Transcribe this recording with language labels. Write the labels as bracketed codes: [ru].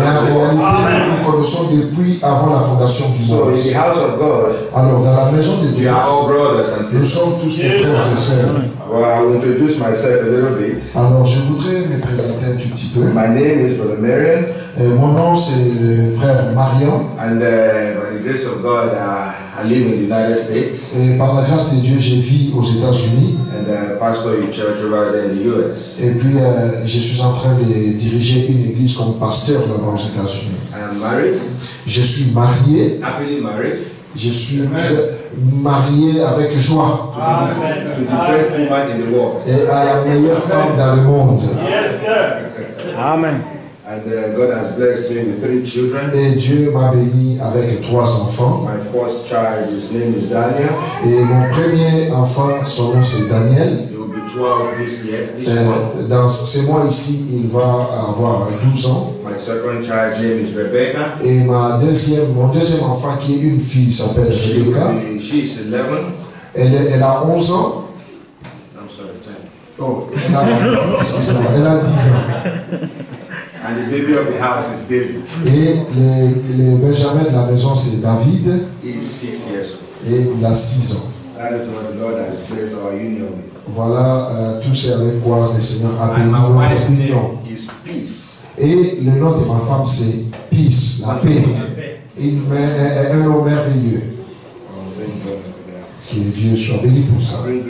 [en] of the world. [fr] Mais en réalité, nous nous connaissons depuis avant la fondation du monde. [en] So in the house of God, [fr] alors dans la maison de Dieu, [en] we are all brothers and sisters. [fr] Nous sommes tous des frères et sœurs. [en] Well, I will introduce myself a little bit. [fr] Alors je voudrais me présenter un tout petit peu. [en] My name is Brother Marion. [fr] Et mon nom c'est le frère Marion. [en] And by the grace of God, I live in the United States. [fr] Et par la grâce de Dieu, je vis aux États-Unis. [en] And I pastor a church over there in the US. [fr] Et puis je suis en train de diriger une église comme pasteur là-bas aux États-Unis. [en] I am married. [fr] Je suis marié. [en] Happily married. [fr] Je suis marié avec joie. [en] To the best woman in the world. [fr] Et à la meilleure femme dans le monde. [en] Yes, sir. Amen. And God has blessed me with three children. [fr] Et Dieu m'a béni avec trois enfants. [en] My first child, his name is Daniel. [fr] Et mon premier enfant, son nom c'est Daniel. [en] He will be 12 this year. [fr] Dans ce mois ici, il va avoir 12 ans. [en] My second child's name is Rebecca. [fr] Et mon deuxième enfant qui est une fille s'appelle Rebecca. [en] She is 11. [fr] Elle a 11 ans. [en] I'm sorry, 10. [fr] Oh, excusez-moi, elle a 10 ans. [en] And the baby of the house is David. [fr] Et le Benjamin de la maison c'est David. [en] He is 6 years old. [fr] Et il a 6 ans. [en] That is what the Lord has blessed our union with. [fr] Voilà tout ce avec quoi le Seigneur a béni notre union. [en] My wife's name is Peace. [fr] Et le nom de ma femme c'est Peace, la paix. Un nom merveilleux. Que Dieu soit béni pour ça.